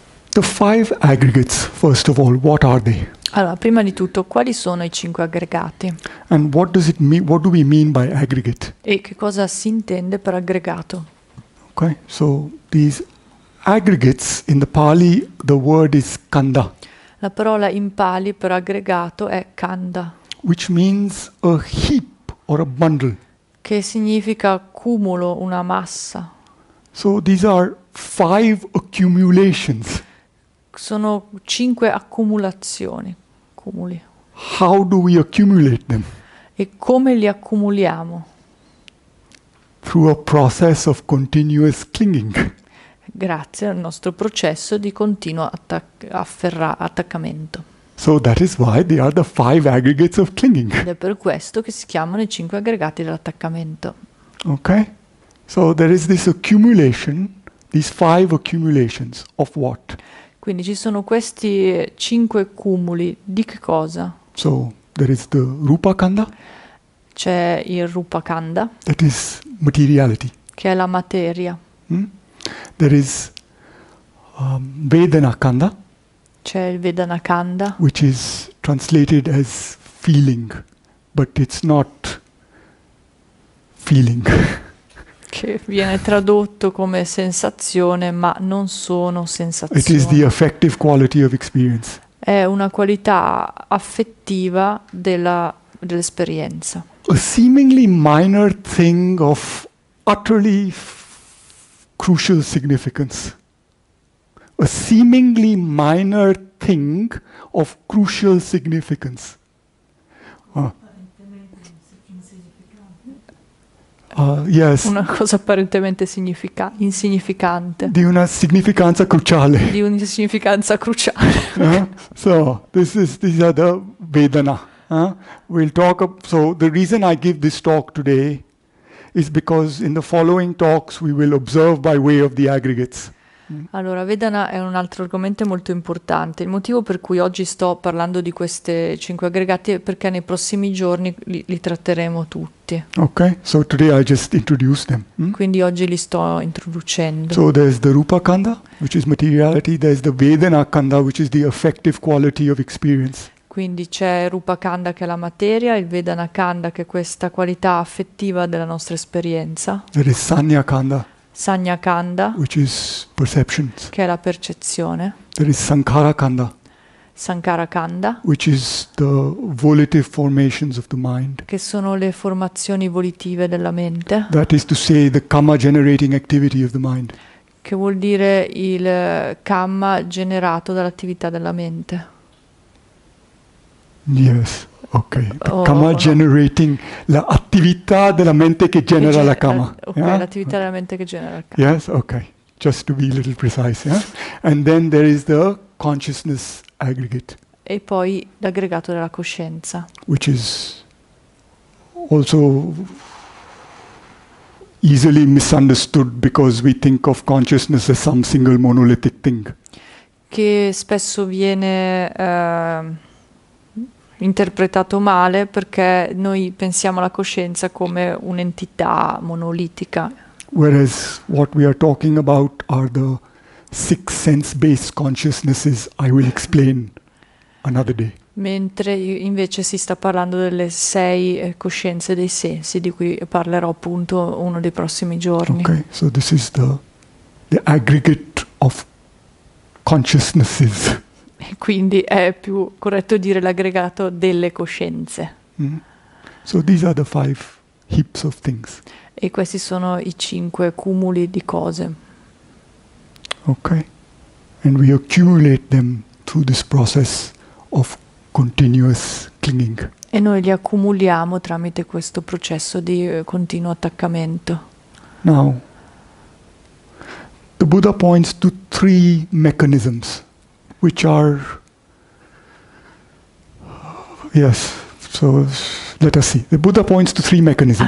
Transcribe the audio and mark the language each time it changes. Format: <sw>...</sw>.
<en>The five aggregates, first of all, what are they?</en> <it>Allora, prima di tutto, quali sono i cinque aggregati? E</it> <en>And what does it mean, what do we mean by aggregate?</en> <it>che cosa si intende per aggregato?</it> <en>Okay, so these aggregates in the Pali, the word is kanda,</en> <it>La parola in pali per aggregato è kanda,</it> <en>which means a heap or a bundle.</en> <it>che significa cumulo, una massa.</it> <en>So these are five accumulations.</en> <it>Sono cinque accumulazioni, cumuli. E</it> <en>How do we accumulate them?</en> <it>come li accumuliamo?</it> <en>Through a process of continuous clinging.</en> <it>Grazie al nostro processo di continuo attaccamento.</it> <en>So that is why they are the five aggregates of</en> <it>Ed è</it> <en>clinging.</en> <it>per questo che si chiamano i cinque aggregati dell'attaccamento.</it> <en>Okay? So there is this accumulation, these five accumulations of what?</en> <it>Quindi ci sono questi cinque cumuli, di che cosa? C'è</it> <en>So there is the Rupa Kanda,</en> <it>il Rupa Kanda, che</it> <en>that is materiality.</en> <it>è la materia. C'è</it> <en>There is Vedana Kanda,</en> <it>il Vedana Kanda.</it> <en>which is translated as feeling, but it's not feeling.</en> <it>Che viene tradotto come sensazione, ma non sono</it> <en>It is the</en> <it>sensazioni.</it> <en>affective quality of experience.</en> <it>È una qualità affettiva dell'esperienza.</it> <en>A seemingly minor thing of utterly crucial significance. A seemingly minor thing of crucial significance. Yes.</en> <it>Una cosa apparentemente insignificante, Di una significanza di cruciale. un'insignificanza cruciale.</it> <en>So, these are the Vedana. We'll talk up, so the reason I give this talk today is because in the following talks we will observe by way of the aggregates.</en> <it>Allora, Vedana è un altro argomento molto importante. Il motivo per cui oggi sto parlando di questi cinque aggregati è perché nei prossimi giorni li tratteremo tutti.</it> <en>Okay, so today I just introduce them.</en> <it>Quindi oggi li sto introducendo.</it> <en>So there's the Rupa Kanda, which is materiality, there's the Vedana Kanda, which is the affective quality of experience.</en> <it>Quindi c'è Rupa Kanda che è la materia, il Vedana Kanda che è questa qualità affettiva della nostra esperienza, Sanya</it> <en>There is Sanya Kanda,</en> <it>Kanda</it> <en>which is perceptions.</en> <it>che è la percezione,</it> <en>There is Sankara Kanda,</en> <it>Sankara Kanda,</it> <en>which is the volitive formations of the mind.</en> <it>che sono le formazioni volitive della mente.</it> <en>That is to say, the kamma generating activity of the mind.</en> <it>Che vuol dire il kamma generato dall'attività della mente?</it> <en>Yes, ok. The kamma</en> <it>O no? generating, l'attività della mente che Che genera la kamma. ok, l'attività della mente che genera il kamma.</it> <en>Yes, ok. Just to be a little precise, yeah? And then there is the consciousness aggregate,</en> <it>E poi l'aggregato della coscienza.</it> <en>which is also easily misunderstood because we think of consciousness as some single monolithic thing.</en> <it>Che spesso viene interpretato male perché noi pensiamo alla coscienza come un'entità monolitica.</it> <en>Whereas what we are talking about are the six sense-based consciousnesses, I will explain another day.</en> <it>Mentre invece si sta parlando delle sei coscienze dei sensi, di cui parlerò appunto uno dei prossimi giorni.</it> <en>Okay, so this is the aggregate of consciousnesses.</en> <it>Quindi è più corretto dire l'aggregato delle coscienze.</it> <en>So these are the five heaps of things.</en> <it>E questi sono i cinque cumuli di cose.</it> <en>Okay, and we accumulate them through this process of continuous clinging.</en> <it>Noi li accumuliamo tramite questo processo di continuo attaccamento.</it> <en>Now, the Buddha points to three mechanisms, which are, yes, so let us see. The Buddha points to three mechanisms.</en>